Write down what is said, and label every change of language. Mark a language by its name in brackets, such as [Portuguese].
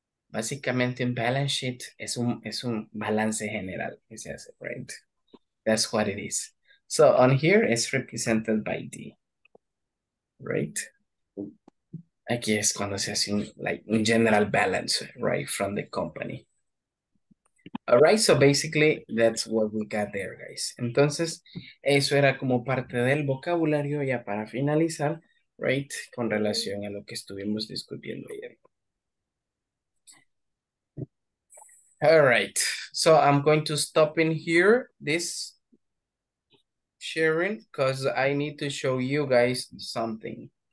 [Spanish] Básicamente, un balance sheet es un balance general que se hace, right? [English] That's what it is. So on here, it's represented by D, right? [Spanish] Aquí es cuando se hace un general balance, right, [English] from the company. All right, so basically, that's what we got there, guys. [Spanish] Entonces, eso era como parte del vocabulario ya para finalizar, right, con relación a lo que estuvimos discutiendo ayer. [English] All right, so I'm going to stop in here, this sharing, because I need to show you guys something.